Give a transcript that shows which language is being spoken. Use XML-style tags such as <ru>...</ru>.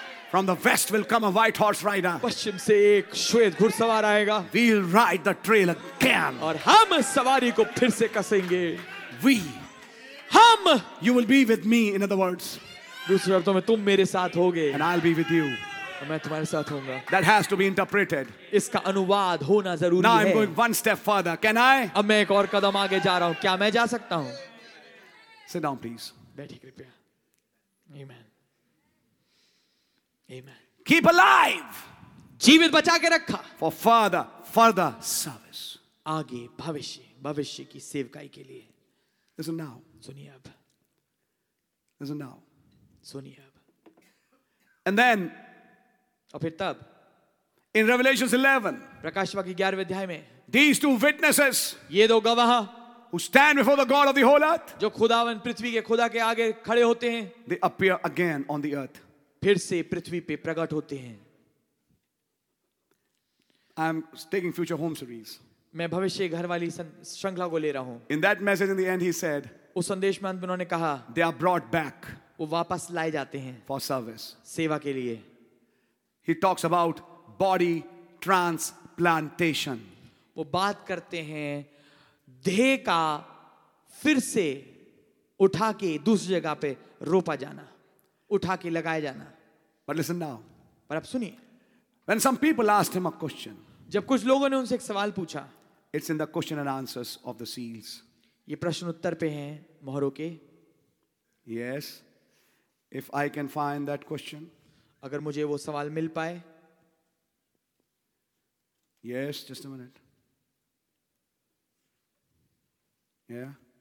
<en>From the west will come a white horse rider.</en> <hi>पश्चिम से एक श्वेत घुड़सवार आएगा.</hi> <en>We'll ride the trail again.</en> <hi>और हम सवारी को फिर से कसेंगे.</hi> <en>We.</en> <hi>हम.</hi> <en>You will be with me. In other words.</en> <hi>दूसरे अर्थों में तुम मेरे साथ होगे.</hi> <en>And I'll be with you.</en> <hi>और मैं तुम्हारे साथ होऊंगा.</hi> <en>That has to be interpreted.</en> <hi>इसका अनुवाद होना जरूरी है.</hi> <en>Now I'm going one step further. Can I?</en> <hi>अब मैं एक और कदम आगे जा रहा हूँ. क्या मैं जा सकता हूँ?</hi> <en>Sit down, please.</en> <hi>बैठिए कृपया. Amen.</hi> <en>Amen. Keep alive.</en> <hi>जीवित बचा के रखा.</hi> <en>For further service.</en> <hi>आगे भविष्य की सेवकाई के लिए.</hi> <en>Listen now.</en> <hi>सुनिए अब.</hi> <en>Listen now.</en> <hi>सुनिए अब.</hi> <en>And then.</en> <hi>और फिर तब.</hi> <en>In Revelation 11.</en> <hi>प्रकाशवाक्य 11 अध्याय में.</hi> <en>These two witnesses.</en> <hi>ये दो गवाह.</hi> <en>Who stand before the God of the whole earth.</en> <hi>जो खुदावन पृथ्वी के खुदा के आगे खड़े होते हैं.</hi> <en>They appear again on the earth.</en> <hi>फिर से पृथ्वी पे प्रकट होते हैं.</hi> <en>I am taking future home series.</en> <hi>मैं भविष्य घर वाली श्रृंखला को ले रहा हूं.</hi> <en>In that message in the end he said.</en> <hi>उस संदेश में अंत में उन्होंने कहा.</hi> <en>They are brought back.</en> <hi>वो वापस लाए जाते हैं.</hi> <en>For service.</en> <hi>सेवा के लिए.</hi> <en>He talks about body transplantation.</en> <hi>वो बात करते हैं देह का फिर से उठा के दूसरी जगह पे रोपा जाना. उठा के लगाया जाना.</hi> <en>But listen now.</en> <hi>पर अब सुनिए.</hi> <en>When some people asked him a question.</en> <hi>जब कुछ लोगों ने उनसे एक सवाल पूछा.</hi> <en>It's in the question and answers of the seals.</en> <hi>ये प्रश्न उत्तर पे हैं मोहरों के.</hi> <en>Yes. If I can find that question.</en> <hi>अगर मुझे वो सवाल मिल पाए.</hi> <en>Yes, just a minute. Yeah.</en>